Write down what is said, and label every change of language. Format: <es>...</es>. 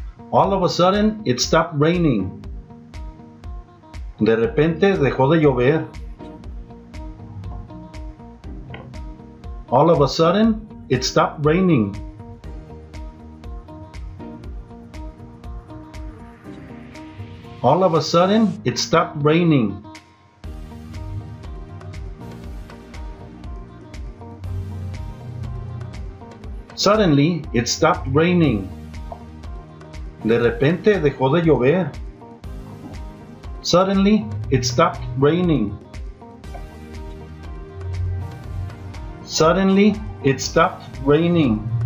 <en>All of a sudden, it stopped raining.</en> <es>De repente, dejó de llover.</es> <en>All of a sudden, it stopped raining. All of a sudden, it stopped raining. Suddenly, it stopped raining.</en> <es>De repente dejó de llover.</es> <en>Suddenly, it stopped raining. Suddenly, it stopped raining.</en>